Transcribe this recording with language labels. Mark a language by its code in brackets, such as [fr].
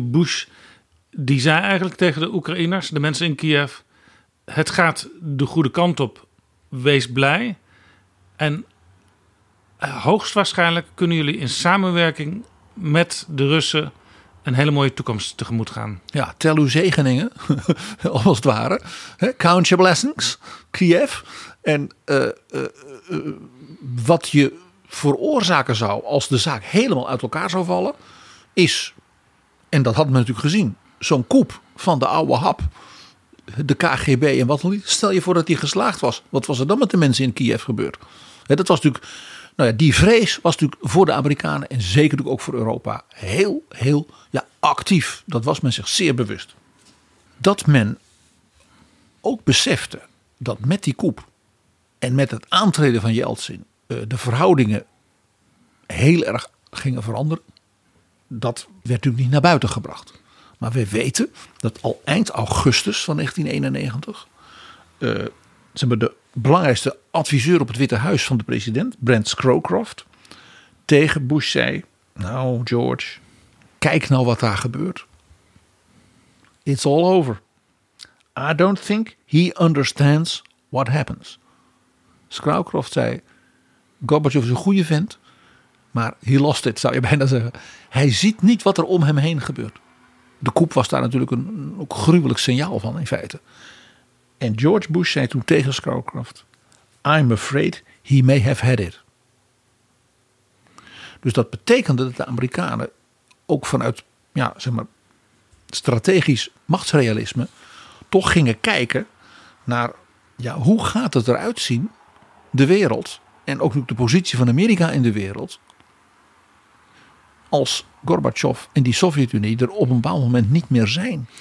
[nl] Bush, die zei eigenlijk tegen de Oekraïners, de mensen in Kiev, het gaat de goede kant op, wees blij. En hoogstwaarschijnlijk kunnen jullie in samenwerking met de Russen een hele mooie toekomst tegemoet gaan. Ja, tel uw zegeningen, als het ware. [en] Count your blessings, Kiev. [nl] En wat je veroorzaken zou als de zaak helemaal uit elkaar zou vallen, is, en dat had men natuurlijk gezien, zo'n coup van de oude hap, de KGB en wat dan niet. Stel je voor dat die geslaagd was. Wat was er dan met de mensen in Kiev gebeurd? Dat was natuurlijk, nou ja, die vrees was natuurlijk voor de Amerikanen en zeker natuurlijk ook voor Europa heel, heel actief. Dat was men zich zeer bewust. Dat men ook besefte dat met die coup en met het aantreden van Jeltsin de verhoudingen heel erg gingen veranderen. Dat werd natuurlijk niet naar buiten gebracht. Maar we weten dat al eind augustus van 1991... De belangrijkste adviseur op het Witte Huis van de president, Brent Scowcroft, tegen Bush zei, nou George, kijk nou wat daar gebeurt. [en] It's all over. I don't think he understands what happens. [nl] Scowcroft zei, Gorbatsjov is een goede vent, maar [en] he lost it, [nl] zou je bijna zeggen. Hij ziet niet wat er om hem heen gebeurt. De coup was daar natuurlijk een gruwelijk signaal van in feite. En George Bush zei toen tegen Scowcroft, [en] I'm afraid he may have had it. [nl] Dus dat betekende dat de Amerikanen ook vanuit strategisch machtsrealisme toch gingen kijken naar hoe gaat het eruit zien, de wereld en ook de positie van Amerika in de wereld, als Gorbatsjov en die Sovjet-Unie er op een bepaald moment niet meer zijn.